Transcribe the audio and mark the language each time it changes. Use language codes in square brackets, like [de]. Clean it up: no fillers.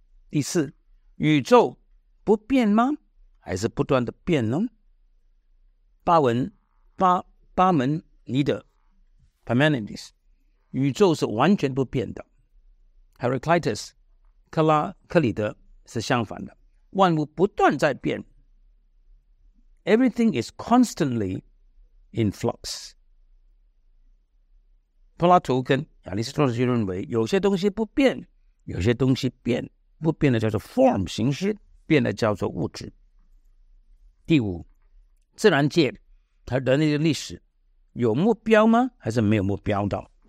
[zh] 第四，宇宙不变吗？还是不断的变呢？巴门尼德 Parmenides， 宇宙是完全不变的。 Heraclitus 克里德是相反的，万物不断在变。 [en] Everything is constantly in flux。 [zh] 柏拉图跟亚里士多德认为有些东西不变，有些东西变，不变的叫做 form 形式，变的叫做物质。第五，自然界它人类的历史有目标吗？还是没有目标的？